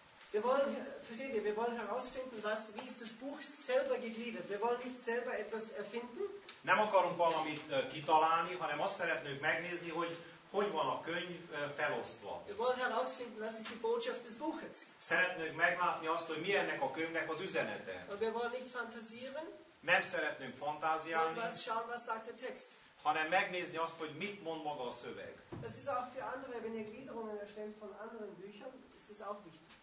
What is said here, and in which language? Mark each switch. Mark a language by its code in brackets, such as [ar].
[de] Wir wollen herausfinden, wie ist das Buch selber gegliedert. Wir wollen nicht selber etwas erfinden. [hu] Nem akarunk valamit kitalálni, hanem azt szeretnénk megnézni, hogy van a könyv felosztva. [de] Wir wollen herausfinden, was ist die Botschaft des Buches. [hu] Szeretnénk meglátni azt, hogy mi ennek a könyvnek az üzenete. [de] Und wir wollen nicht fantasieren. [hu] Nem szeretnénk fantáziálni. [de] Was schauen, was sagt der Text. [hu] Hanem megnézni azt, hogy mit mond maga a szöveg. [de] Das ist auch für andere, wenn ihr Gliederungen erstellt von anderen Büchern, ist das auch wichtig.